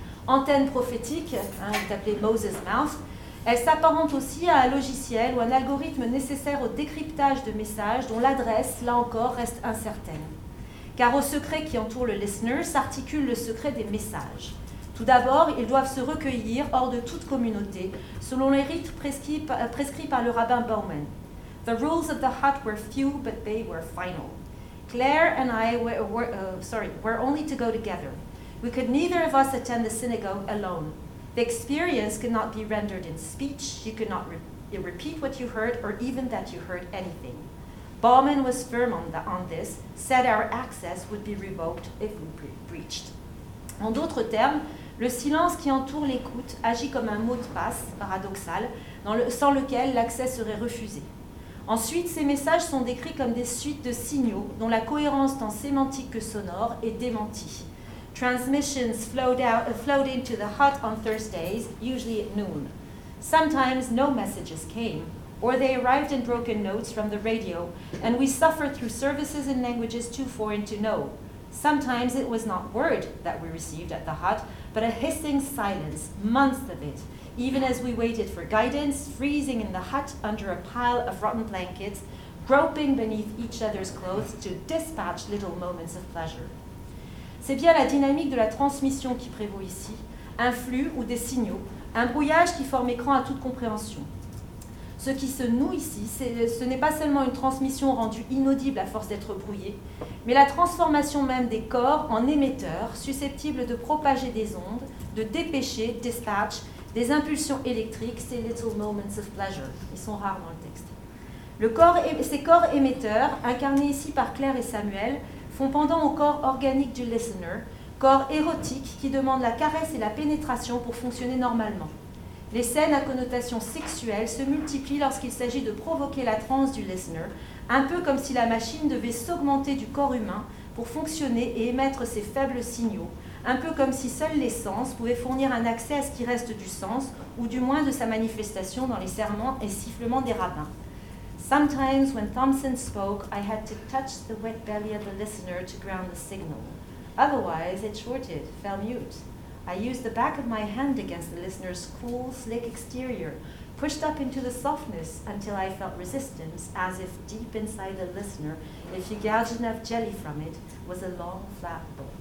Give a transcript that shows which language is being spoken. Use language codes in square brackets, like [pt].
[fr] antenne prophétique, hein, qui est appelée Moses Mouth, elle s'apparente aussi à un logiciel ou un algorithme nécessaire au décryptage de messages dont l'adresse, là encore, reste incertaine. Car au secret qui entoure le listener s'articule le secret des messages. Tout d'abord, ils doivent se recueillir hors de toute communauté, selon les rites prescrits par le rabbin Bowman. [en] The rules of the hut were few, but they were final. Claire and I were only to go together. We could neither of us attend the synagogue alone. The experience could not be rendered in speech. You could not repeat what you heard or even that you heard anything. Bauman was firm on this, said our access would be revoked if we breached. [fr] En d'autres termes, le silence qui entoure l'écoute agit comme un mot de passe paradoxal sans lequel l'accès serait refusé. Ensuite, ces messages sont décrits comme des suites de signaux dont la cohérence tant sémantique que sonore est démentie. [en] Transmissions flowed into the hut on Thursdays, usually at noon. Sometimes no messages came, or they arrived in broken notes from the radio, and we suffered through services in languages too foreign to know. Sometimes it was not word that we received at the hut, but a hissing silence, months of it, even as we waited for guidance, freezing in the hut under a pile of rotten blankets, groping beneath each other's clothes to dispatch little moments of pleasure. [fr] C'est bien la dynamique de la transmission qui prévaut ici, un flux ou des signaux, un brouillage qui forme écran à toute compréhension. Ce qui se noue ici, ce n'est pas seulement une transmission rendue inaudible à force d'être brouillée, mais la transformation même des corps en émetteurs susceptibles de propager des ondes, de dépêcher, dispatch, des impulsions électriques, ces [en] little moments of pleasure. [fr] Ils sont rares dans le texte. Ces corps émetteurs, incarnés ici par Claire et Samuel, font pendant au corps organique du listener, corps érotique qui demande la caresse et la pénétration pour fonctionner normalement. Les scènes à connotation sexuelle se multiplient lorsqu'il s'agit de provoquer la transe du listener, un peu comme si la machine devait s'augmenter du corps humain pour fonctionner et émettre ses faibles signaux, un peu comme si seuls les sens pouvaient fournir un accès à ce qui reste du sens, ou du moins de sa manifestation dans les serments et sifflements des rabbins. [en] Sometimes when Thompson spoke, I had to touch the wet belly of the listener to ground the signal. Otherwise, it shorted, fell mute. I used the back of my hand against the listener's cool, slick exterior, pushed up into the softness until I felt resistance, as if deep inside the listener, if you gouged enough jelly from it, was a long, flat bone.